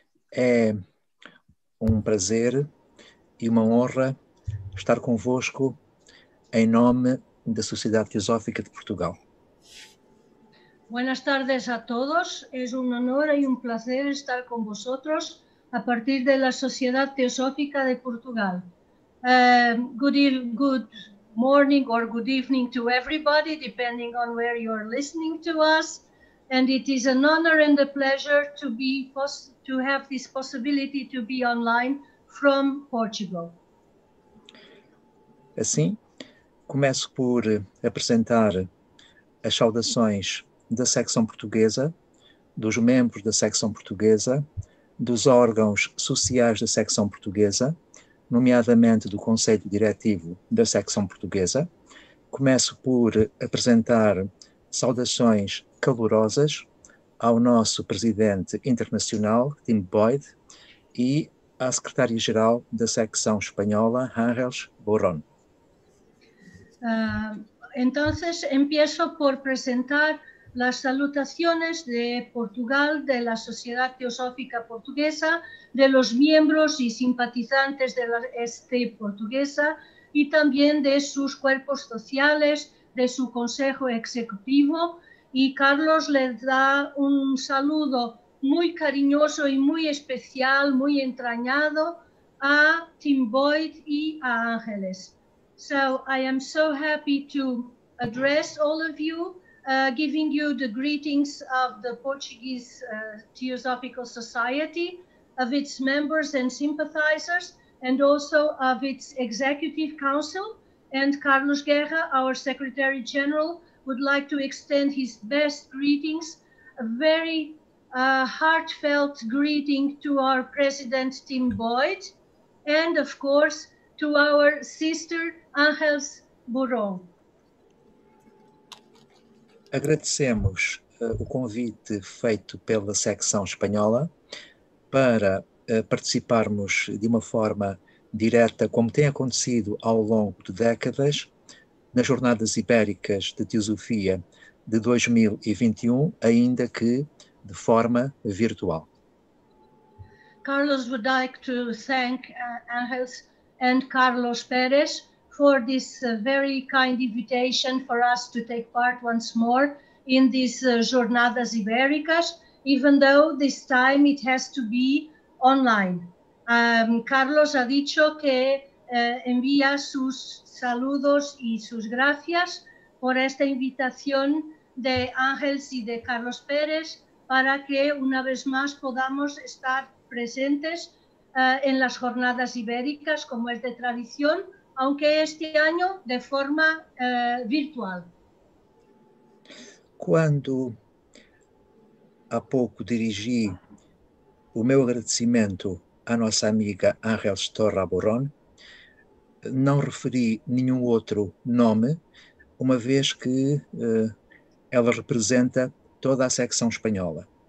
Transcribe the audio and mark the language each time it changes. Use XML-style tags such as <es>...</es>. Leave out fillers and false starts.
<pt>É um prazer e uma honra estar convosco em nome da Sociedade Teosófica de Portugal.</pt> <es>Buenas tardes a todos. Es un honor y un placer estar con vosotros a partir de la Sociedad Teosófica de Portugal.</es> <en>Good morning or good evening to everybody, depending on where you are listening to us. And it is an honor and a pleasure to have this possibility to be online from Portugal.</en> <pt>Assim, começo por apresentar as saudações da secção portuguesa, dos membros da secção portuguesa, dos órgãos sociais da secção portuguesa, nomeadamente do Conselho Diretivo da secção portuguesa. Começo por apresentar saudações calorosas ao nosso presidente internacional, Tim Boyd, e à secretária-geral da secção espanhola, Ángeles Borrón.</pt> <es>Entonces, empiezo por presentar las salutaciones de Portugal, de la Sociedad Teosófica Portuguesa, de los miembros y simpatizantes de la ST Portuguesa y también de sus cuerpos sociales, de su Consejo Ejecutivo. Y Carlos les da un saludo muy cariñoso y muy especial, muy entrañado a Tim Boyd y a Ángeles.</es> <en>So I am so happy to address all of you, giving you the greetings of the Portuguese Theosophical Society, of its members and sympathizers, and also of its Executive Council. And Carlos Guerra, our Secretary General, would like to extend his best greetings, a very heartfelt greeting to our President Tim Boyd, and of course, to our sister, Ángeles Borrón.</en> <pt>Agradecemos o convite feito pela secção espanhola para participarmos de uma forma direta, como tem acontecido ao longo de décadas, nas Jornadas Ibéricas de Teosofia de 2021, ainda que de forma virtual.</pt> <en>Carlos would like to thank Ángeles and Carlos Pérez for this very kind invitation for us to take part once more in these Jornadas Ibéricas, even though this time it has to be online.</en> <es>Carlos ha dicho que envía sus saludos y sus gracias por esta invitación de Ángeles y de Carlos Pérez para que una vez más podamos estar presentes en las Jornadas Ibéricas, como es de tradición, aunque este año de forma virtual.</es> <pt>Quando há pouco dirigi o meu agradecimento à nossa amiga Ángeles Torra Borrón, não referi nenhum outro nome, uma vez que ela representa toda a secção espanhola.</pt>